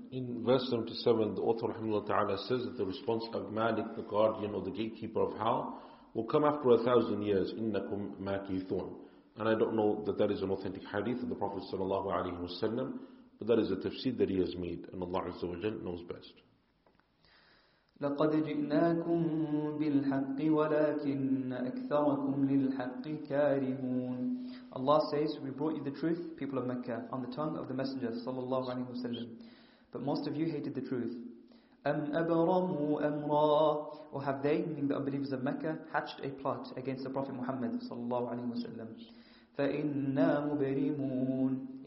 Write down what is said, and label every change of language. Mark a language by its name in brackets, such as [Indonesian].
[English] In verse 77, the author rahimahullah ta'ala says that the response of Malik, the guardian or the gatekeeper of hell, will come after 1,000 years. [Arabic] إِنَّكُمْ مَاكِثُونَ. [English] And I don't know that that is an authentic hadith of the Prophet sallallahu alaihi wasallam, but that is a tafsir that he has made, and Allah Azza wa Jalla knows best. [Arabic] لقد جئناكم بالحق ولكن أكثركم للحق كارهون. [English] Allah says, we brought you the truth, people of Mecca, on the tongue of the Messenger, sallallahu alaihi wasallam. But most of you hated the truth. [Arabic] أَمْ أَبْرَمُوا أَمْرًا. [English] Or have they, meaning the unbelievers of Mecca, hatched a plot against the Prophet Muhammad, sallallahu alaihi wasallam? [Arabic] فَإِنَّا مُبَرِمُونَ.